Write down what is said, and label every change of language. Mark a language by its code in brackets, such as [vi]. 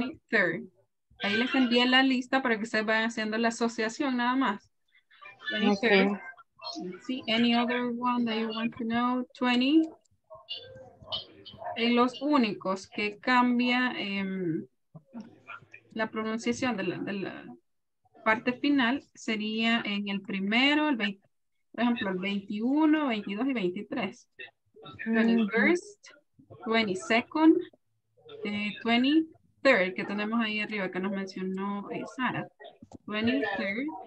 [es] 23rd. Ahí les envié la lista para que se vayan haciendo la asociación nada más. [en] 23rd. Okay. See any other one that you want to know? 20. [es] Y los únicos que cambia la pronunciación de la parte final sería en el primero, el 20, por ejemplo, el 21, 22 y 23. 21st, 22nd, 23rd, que tenemos ahí arriba que nos mencionó Sara. 23rd.